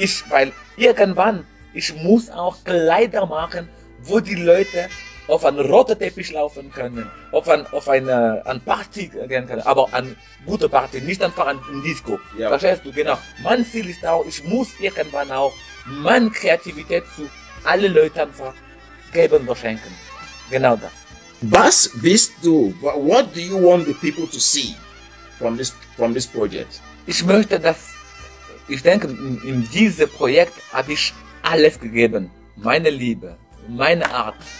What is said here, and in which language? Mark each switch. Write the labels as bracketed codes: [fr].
[de] Weil irgendwann, ich muss auch Kleider machen, wo die Leute auf einen roten Teppich laufen können, auf eine Party gehen können, aber eine gute Party, nicht einfach ein Disco. Ja. Verstehst du? Genau. Mein Ziel ist auch, ich muss irgendwann auch meine Kreativität zu allen Leuten einfach geben oder schenken. Genau das. Was bist du? [en] What do you want the people to see from this project? [de] Ich möchte, dass, ich denke, in diesem Projekt habe ich alles gegeben. Meine Liebe. Meine Art.